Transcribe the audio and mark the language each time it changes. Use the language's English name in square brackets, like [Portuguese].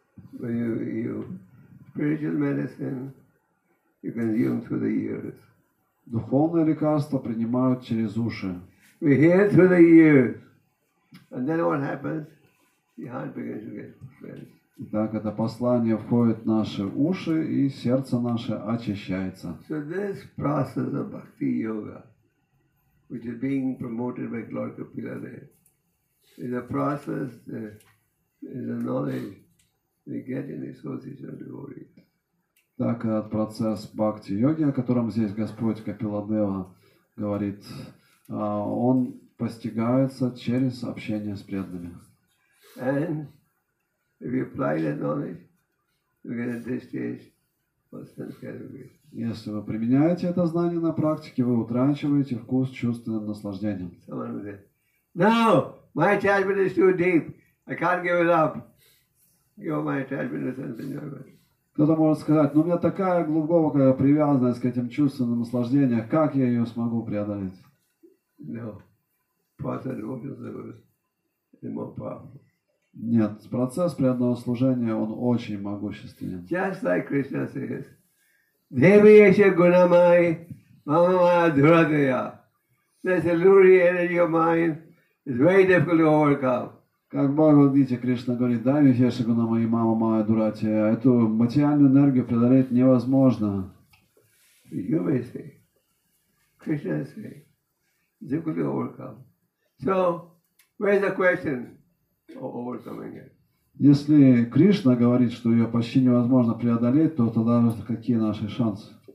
[English] Spiritual medicine you consume through the ears. [Russian] Духовное лекарство принимают через уши. [English] We hear through the ears. And then what happens? The heart begins to get cleansed. [Russian] Итак, это послание входит в наши уши, и сердце наше очищается. [English] So this process of bhakti yoga, which is being promoted by Lord Kapiladev, is a process, is a knowledge we get in association with devotees. [Russian] Так, этот процесс бхакти-йоги, о котором здесь Господь Капиладева говорит, он постигается через общение с преданными. [English] And if you apply that knowledge, you get a distaste for sense gratification. [Russian] Если вы применяете это знание на практике, вы утрачиваете вкус чувственным наслаждением. [English] No, my attachment is too deep. I can't give it up. Give my attachment to sense enjoyment. [Russian] Кто-то может сказать, у меня такая глубокая привязанность к этим чувственным наслаждениям, как я ее смогу преодолеть? [English] No, process of service is more powerful. [Russian] Нет, процесс преданного служения, он очень могущественен. [English] Just like Krishna says, [Sanskrit] Devi Esha Gunamai Mamamaya Dhuradaya. [English] This illusory energy of mind is very difficult to overcome. [Russian] Как Бхагавад-гита Кришна говорит, [Sanskrit] Devi Esha Gunamai Mamamaya Dhuradaya. [Russian] Эту материальную энергию преодолеть невозможно. [English] You may say, Krishna say, difficult to overcome. So, where is the question of overcoming it? [Russian] Если Кришна говорит, что ее почти невозможно преодолеть, то тогда какие наши шансы?